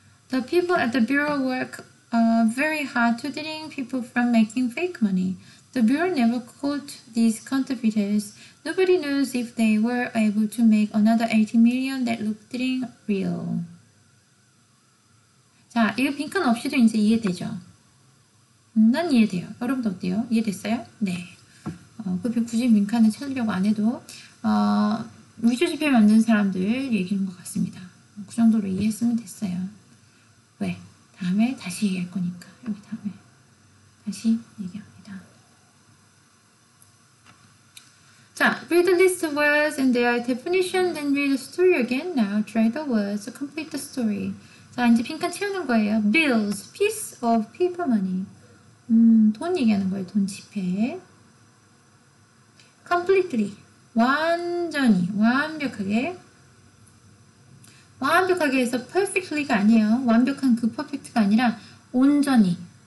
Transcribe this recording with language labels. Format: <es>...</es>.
<en>The people at the Bureau work very hard to ding people from making fake money. The Bureau never caught these counterfeiters. Nobody knows if they were able to make another 80 million that looked real.</en> <ko>자, 이거 빈칸 없이도 이제 이해되죠? 난 이해돼요. 여러분도 어때요? 이해됐어요? 네. 그 굳이 빈칸을 찾으려고 안 해도 위조 지폐 만든 사람들 얘기인 것 같습니다. 그 정도로 이해했으면 됐어요. 왜? 다음에 다시 얘기할 거니까. 여기 다음에 다시 얘기합니다.</ko> <en>자, read the list of words and their definition, then read the story again. Now try the words to complete the story.</en> <ko>자, 이제 빈칸 채우는 거예요.</ko> <en>Bills, piece of paper money.</en> <ko>돈 얘기하는 거예요. 돈 지폐. Completely, 완전히, 완벽하게. 완벽하게 해서 perfectly가 아니에요. 완벽한 그 perfect가 아니라 온전히.</ko>